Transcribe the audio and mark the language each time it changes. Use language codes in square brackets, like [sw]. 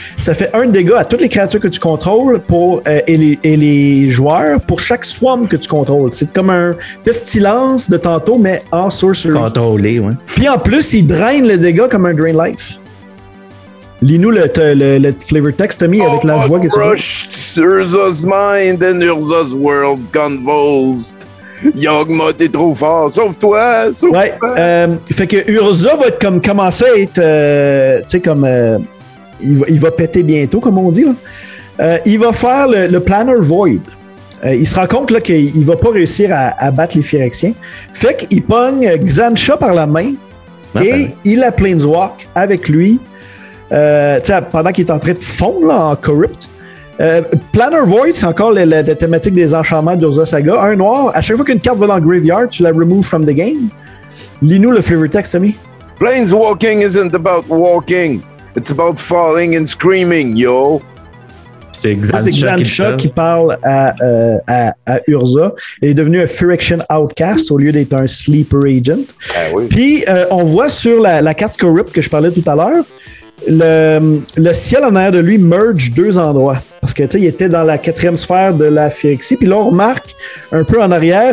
[fr] Ça fait 1 dégât à toutes les créatures que tu contrôles et les joueurs pour chaque swarm que tu contrôles. C'est comme un pestilence de tantôt, mais en sorcery. Contrôlé, ouais. Puis en plus, il draine le dégât comme un Drain Life. Lis-nous le flavor text, Tommy, avec la voix que tu as. [en] Crushed Urza's mind and Urza's world convulsed. [fr] Yogma, t'es trop fort. Sauve-toi. Ouais. Fait que Urza va être comme commencer à être. Tu sais, comme. Il va péter bientôt, comme on dit. Il va faire le Planar Void. Il se rend compte là, qu'il va pas réussir à battre les Phyrexiens. Fait qu'il pogne Xen'Sha par la main et il a Planeswalk avec lui. Pendant qu'il est en train de fondre là, en Corrupt. Planar Void, c'est encore la thématique des enchantements d'Urza Saga. Un noir, à chaque fois qu'une carte va dans le graveyard, tu la removes [en] from the game. [fr] Lis-nous le flavor text, Tommy. [en] Planeswalking isn't about walking. It's about falling and screaming, yo. [fr] C'est Xen'Sha qui parle à Urza. Il est devenu un Phyrexian Outcast au lieu d'être un Sleeper Agent. Oui. Puis, on voit sur la carte Corrupt que je parlais tout à l'heure, Le ciel en arrière de lui merge 2 endroits. Parce que, tu sais, il était dans la 4e sphère de la Phyrexie. Puis là, on remarque un peu en arrière.